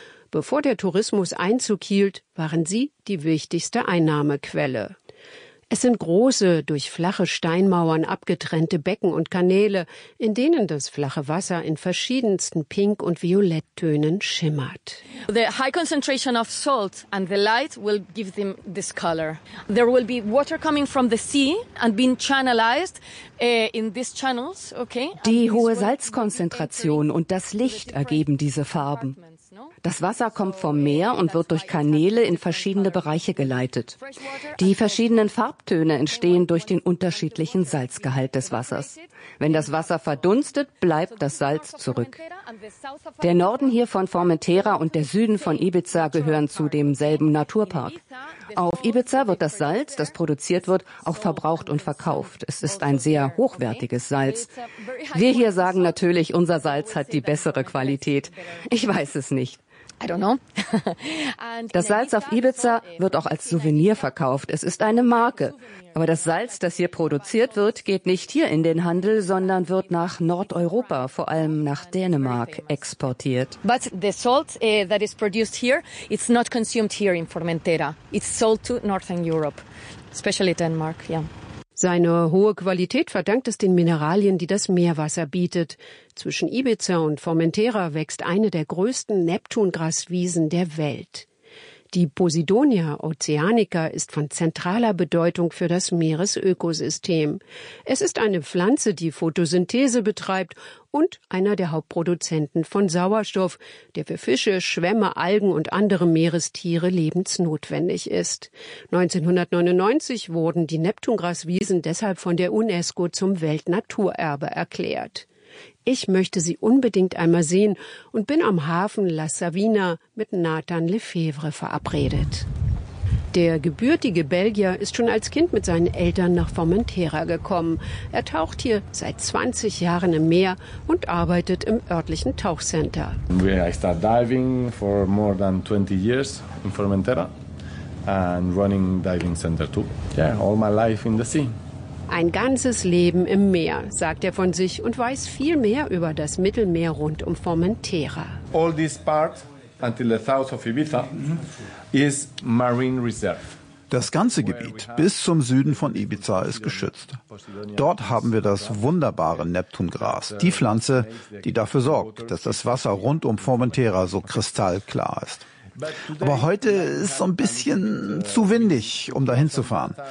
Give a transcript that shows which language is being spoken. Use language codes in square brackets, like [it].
[de] Bevor der Tourismus Einzug hielt, waren sie die wichtigste Einnahmequelle. Es sind große, durch flache Steinmauern abgetrennte Becken und Kanäle, in denen das flache Wasser in verschiedensten Pink- und Violetttönen schimmert. [en] The high concentration of salt and the light will give them this color. There will be water coming from the sea and being channelized in these channels, okay? [de] Die hohe Salzkonzentration und das Licht ergeben diese Farben. Das Wasser kommt vom Meer und wird durch Kanäle in verschiedene Bereiche geleitet. Die verschiedenen Farbtöne entstehen durch den unterschiedlichen Salzgehalt des Wassers. Wenn das Wasser verdunstet, bleibt das Salz zurück. Der Norden hier von Formentera und der Süden von Ibiza gehören zu demselben Naturpark. Auf Ibiza wird das Salz, das produziert wird, auch verbraucht und verkauft. Es ist ein sehr hochwertiges Salz. Wir hier sagen natürlich, unser Salz hat die bessere Qualität. Ich weiß es nicht. [en] I don't know. [de] Das Salz auf Ibiza wird auch als Souvenir verkauft. Es ist eine Marke. Aber das Salz, das hier produziert wird, geht nicht hier in den Handel, sondern wird nach Nordeuropa, vor allem nach Dänemark, exportiert. [en] But the salt that is produced here, it's not consumed here in Formentera. It's sold to Northern Europe, especially Denmark, yeah. [de] Seine hohe Qualität verdankt es den Mineralien, die das Meerwasser bietet. Zwischen Ibiza und Formentera wächst eine der größten Neptungraswiesen der Welt. Die Posidonia oceanica ist von zentraler Bedeutung für das Meeresökosystem. Es ist eine Pflanze, die Photosynthese betreibt und einer der Hauptproduzenten von Sauerstoff, der für Fische, Schwämme, Algen und andere Meerestiere lebensnotwendig ist. 1999 wurden die Neptungraswiesen deshalb von der UNESCO zum Weltnaturerbe erklärt. Ich möchte sie unbedingt einmal sehen und bin am Hafen La Savina mit Nathan Lefevre verabredet. Der gebürtige Belgier ist schon als Kind mit seinen Eltern nach Formentera gekommen. Er taucht hier seit 20 Jahren im Meer und arbeitet im örtlichen Tauchcenter. [en] I start diving for more than 20 years in Formentera and running diving center too. Yeah, all my life in the sea. [de] Ein ganzes Leben im Meer, sagt er von sich und weiß viel mehr über das Mittelmeer rund um Formentera. [en] All this part until the south of Ibiza is marine reserve. [de] Das ganze Gebiet bis zum Süden von Ibiza ist geschützt. Dort haben wir das wunderbare Neptungras, die Pflanze, die dafür sorgt, dass das Wasser rund um Formentera so kristallklar ist. Aber heute ist so ein bisschen zu windig, um dahin zu fahren.